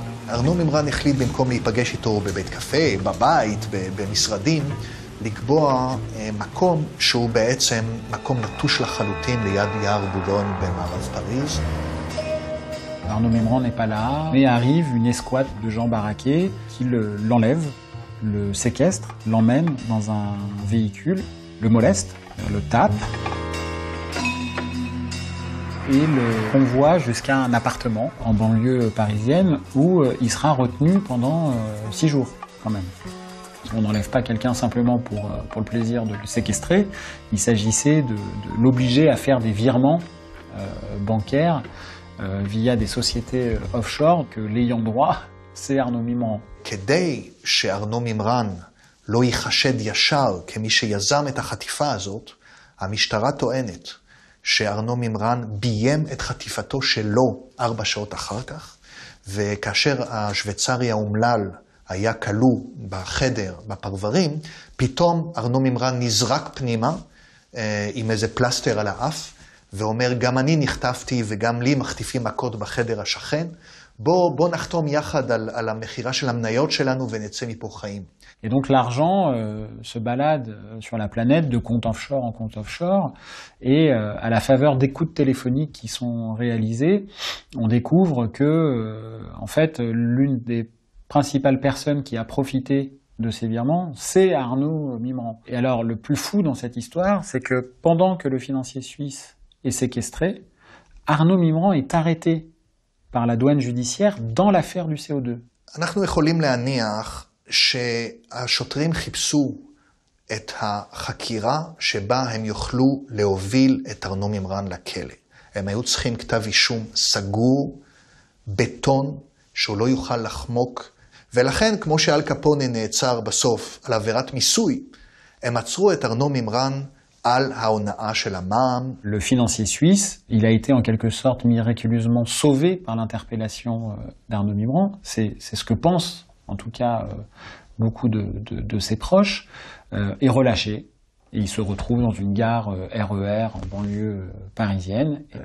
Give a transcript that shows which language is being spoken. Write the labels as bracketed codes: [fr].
[he] ארנון מימרן החליט במקום להיפגש איתו בבית קפה, בבית, במשרדים, לקבוע מקום שהוא בעצם מקום נטוש לחלוטין ליד יער בודון במערב פריז. [fr] ארנון מימרן n'est pas là, mais arrive une escouade de Jean Baraquet qui l'enlève, le séquestre, l'emmène dans un véhicule, le moleste, le tape et le convoie jusqu'à un appartement en banlieue parisienne où il sera retenu pendant 6 jours, quand même. On n'enlève pas quelqu'un simplement pour le plaisir de le séquestrer. Il s'agissait de l'obliger à faire des virements bancaires via des sociétés offshore que l'ayant droit, c'est Arnaud Mimran. [he] כדי שארנו מימרן לא ייחשד ישר כמי שיזם את החטיפה הזאת, המשטרה טוענת שארנו מימרן ביים את חטיפתו שלו 4 שעות אחר כך, וכאשר השוויצרי האומלל היה קלו בחדר, בפרברים, פתאום ארנו מימרן נזרק פנימה עם איזה פלסטר על האף, ואומר גם אני נחטפתי וגם לי מחטיפים מכות בחדר השכן, בוא נחתום יחד על המחירה של המניות שלנו ונצא מפה חיים. [fr] Et donc l'argent se balade sur la planète de compte offshore en compte offshore et à la faveur d'écoutes téléphoniques qui sont réalisées, on découvre que en fait l'une des principales personnes qui a profité de ces virements, c'est Arnaud Mimran. Et alors le plus fou dans cette histoire, c'est que pendant que le financier suisse est séquestré, Arnaud Mimran est arrêté par la douane judiciaire dans l'affaire du CO2. [he] אנחנו יכולים להניח שהשוטרים חיפשו את החקירה שבה הם יוכלו להוביל את ארנו מימרן לכלא. הם היו צריכים כתב אישום סגור, בטון, שהוא לא יוכל לחמוק. ולכן, כמו שאל קפונה נעצר בסוף על עבירת מיסוי, הם עצרו את ארנו מימרן על ההונאה של המע"מ. [fr] Le financier suisse, il a été en quelque sorte miraculeusement sauvé par l'interpellation d'Arno Mimran. C'est ce que pense en tout cas, beaucoup de ses proches, est relâché. et il se retrouve dans une gare RER en banlieue parisienne.